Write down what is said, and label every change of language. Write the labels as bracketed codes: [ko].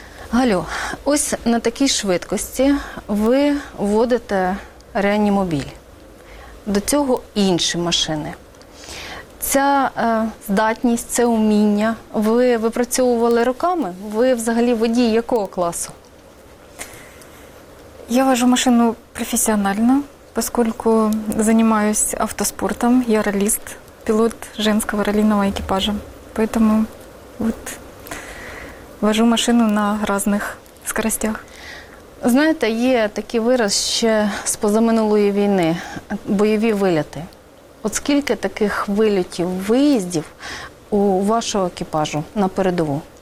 [uk] Галю, ось на такій швидкості ви вводите реанімобіль. До цього інші машини. Ця здатність, це уміння ви випрацьовували роками? Ви взагалі водій якого класу? [ru] Я вожу машину профессионально, поскольку занимаюсь автоспортом. Я раллист, пилот женского раллийного экипажа. Поэтому вот вожу машину на разных скоростях. [uk] Знаєте, є такий вираз ще з позаминулої війни – бойові виліти. От скільки таких вильотів, виїздів у вашого екіпажу на передову?